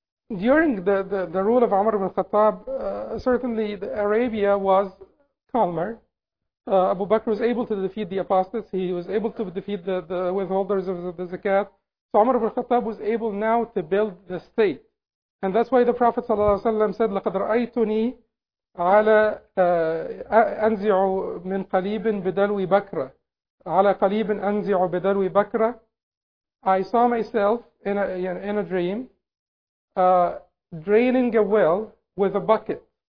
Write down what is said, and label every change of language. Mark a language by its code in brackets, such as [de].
[en] During the rule of Umar ibn Khattab, certainly the Arabia was calmer. Abu Bakr was able to defeat the apostates. He was able to defeat the withholders of the zakat. So Umar ibn Khattab was able now to build the state. And that's why the Prophet ﷺ said, لَقَدْ رَأَيْتُنِي [ar] على أنزع من قليب بدلو بكرة. على قليب أنزع بدلو بكرة. [en] I saw myself in a dream draining a well with a bucket.